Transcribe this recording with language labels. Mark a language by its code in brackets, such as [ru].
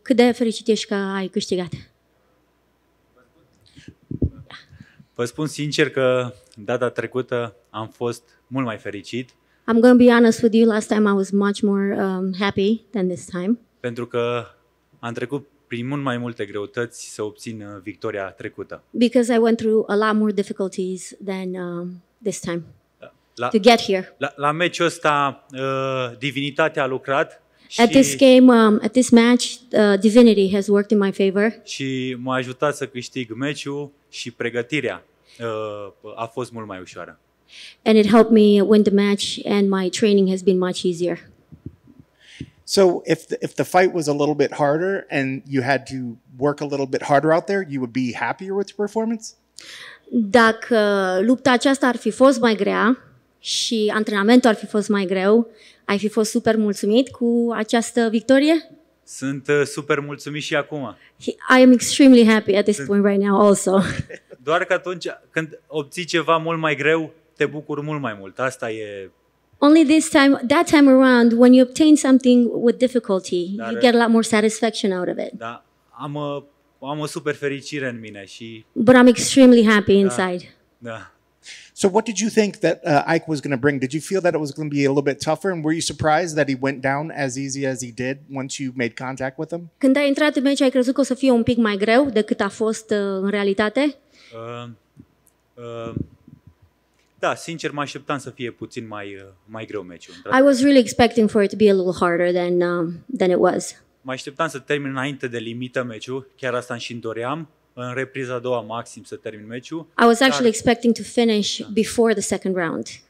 [ro] Cât de fericit ești că ai câștigat? Vă spun sincer că data trecută am fost mult mai fericit. [en] I'm going to be honest with you. Last time I was much more happy than this time. [ro] Pentru că am trecut prin mult mai multe greutăți să obțin victoria trecută. [en] Because I went through a lot more difficulties than this time. To get here. [ro] La meciul ăsta divinitatea a lucrat. [en] At this game, at this match, divinity has worked in my favor. [ro] Și m-a ajutat să câștig meciul și pregătirea a fost mult mai ușoară. [en] And it helped me win the match and my training has been much easier. So if the fight was a little bit harder and you had to work a little bit harder out there, you would be happier with your performance? [ro] Dacă lupta aceasta ar fi fost mai grea și antrenamentul ar fi fost mai greu, ai fi fost super mulțumit cu această victorie? Sunt super mulțumit și acum. [en] I am extremely happy at this point right now also. [ro] Doar că atunci când obții ceva mult mai greu, te bucuri mult mai mult. Asta e. [en] Only this time, that time around, when you obtain something with difficulty, dar you get a lot more satisfaction out of it. [ro] Da, am o super fericire în mine și. [en] But I'm extremely happy inside. [ro] Da. [en] So what did you think that Ike was going to bring? Did you feel that it was going to be a little bit tougher? And were you surprised that he went down as easy as he did once you made contact with him? [ro] Când ai intrat în meci, ai crezut că o să fie un pic mai greu decât a fost în realitate? Da, sincer, mă așteptam să fie puțin mai greu meciul. [en] I was really expecting for it to be a little harder than it was. [ro] Mă așteptam să termin înainte de limită meciul, chiar asta îmi și doream. În repriza a doua maxim să termin meciul. [en] I was actually expecting to finish before the second round.